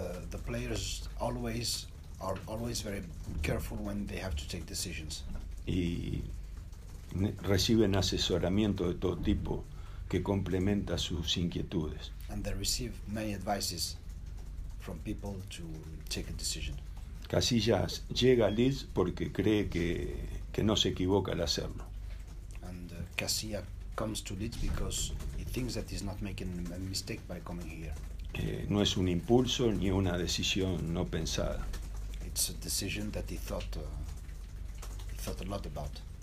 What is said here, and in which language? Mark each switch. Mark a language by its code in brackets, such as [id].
[en] The players are always very careful when they have to take decisions. [es] Y reciben asesoramiento de todo tipo que complementa sus inquietudes. [en] And they receive many advices from people to take a decision. [es] Casillas llega a Leeds porque cree que no se equivoca al hacerlo. [en] And Casillas comes to Leeds because he thinks that he's not making a mistake by coming here. [es] No es un impulso ni una decisión no pensada. [en] It's a decision that he thought a lot about.